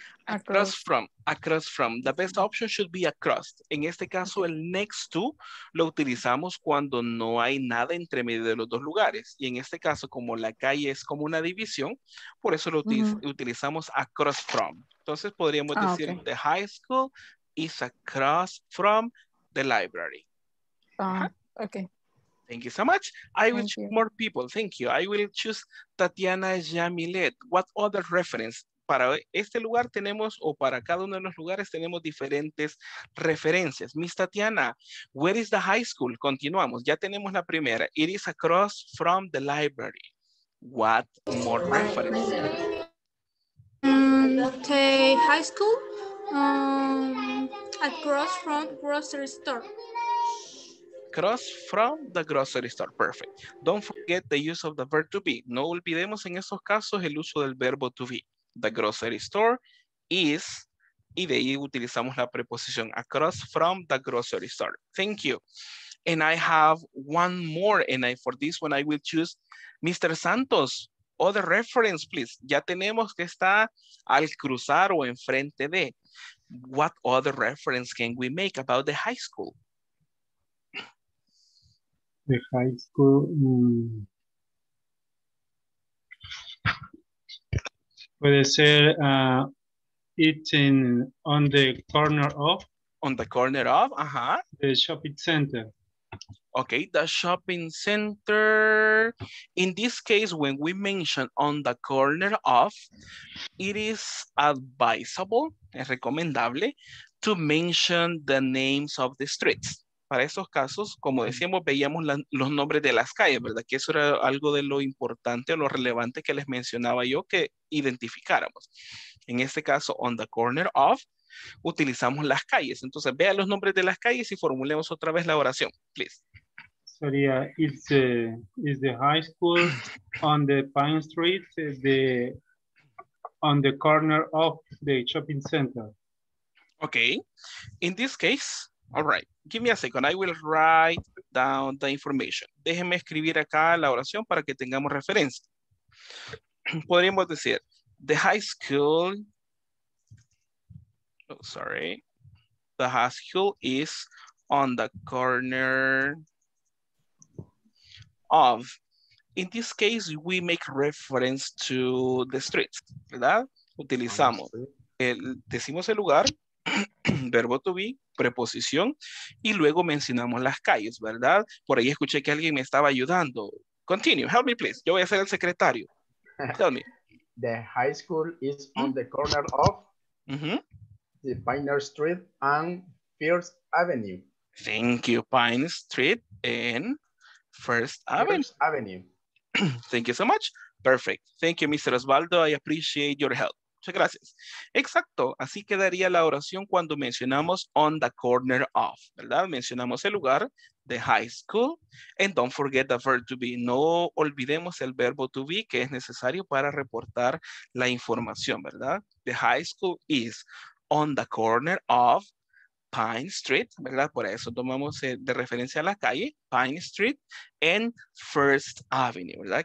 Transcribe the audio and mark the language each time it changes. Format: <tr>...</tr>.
<en>Across from, across from. The best option should be across.</en> <es>En este caso, el next to lo utilizamos cuando no hay nada entre medio de los dos lugares. Y en este caso, como la calle es como una división, por eso lo utilizamos across from. Entonces, podríamos decir, okay.</es> <en>The high school is across from the library. Okay. Thank you so much. I will choose Tatiana Jamilet. What other reference?</en> <es>Para este lugar tenemos, o para cada uno de los lugares, tenemos diferentes referencias.</es> <en>Miss Tatiana, where is the high school?</en> <es>Continuamos. Ya tenemos la primera.</es> <en>It is across from the library. What more reference? The high school? Across from grocery store. Across from the grocery store. Perfect. Don't forget the use of the verb to be.</en> <es>No olvidemos en esos casos el uso del verbo to be.</es> <en>The grocery store is,</en> <es>y de ahí utilizamos la preposición,</es> <en>across from the grocery store. Thank you. And I have one more, and I, for this one, I will choose Mr. Santos. Other reference, please.</en> <es>Ya tenemos que está al cruzar o enfrente de.</es> <en>What other reference can we make about the high school? The high school...</en> <es>Puede ser</es> <en>it's in, on the corner of. On the corner of, ajá. The shopping center. Okay, the shopping center. In this case, when we mention on the corner of, it is advisable,</en> <es>es recomendable,</es> <en>to mention the names of the streets.</en> <es>Para esos casos, como decíamos, veíamos los nombres de las calles, ¿verdad? Que eso era algo de lo importante o lo relevante que les mencionaba yo que identificáramos. En este caso, on the corner of, utilizamos las calles. Entonces, vea los nombres de las calles y formulemos otra vez la oración, please. Sería,</es> <en>is the high school on the Pine Street, the, on the corner of the shopping center. Okay. In this case, all right. Give me a second. I will write down the information.</en> <es>Déjenme escribir acá la oración para que tengamos referencia. Podríamos decir,</es> <en>the high school, oh, sorry, the high school is on the corner of. In this case, we make reference to the street,</en> <es>¿verdad? Utilizamos, decimos el lugar, verbo to be, preposición, y luego mencionamos las calles, ¿verdad? Por ahí escuché que alguien me estaba ayudando.</es> <en>Continue, help me please.</en> <es>Yo voy a ser el secretario.</es> <en>Tell me. The high school is on the corner of the Pine Street and First Avenue. Thank you, Pine Street and First Avenue. First Avenue. Thank you so much. Perfect. Thank you, Mr. Osvaldo. I appreciate your help.</en> <es>Muchas gracias. Exacto. Así quedaría la oración cuando mencionamos on the corner of, ¿verdad? Mencionamos el lugar,</es> <en>the high school, and don't forget the verb to be.</en> <es>No olvidemos el verbo to be que es necesario para reportar la información, ¿verdad?</es> <en>The high school is on the corner of Pine Street,</en> <es>¿verdad? Por eso tomamos de referencia a la calle, Pine Street, and First Avenue, ¿verdad?</es>